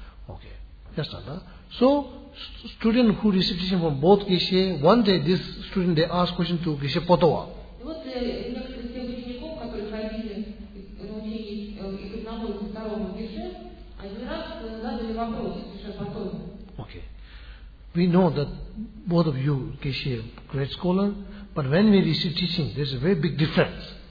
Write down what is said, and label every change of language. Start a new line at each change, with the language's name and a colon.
English: Okay. So student who received teaching from both Гиши, one day this student they ask question to Гиши Потова.
Russian: И вот некоторые из учеников, которые ходили на учение из одного и второго Гиши, один раз задали вопрос Гиши Потова.
English: Okay. We know that both of you Гиши great scholar. But when we receive teaching, there's a very big difference.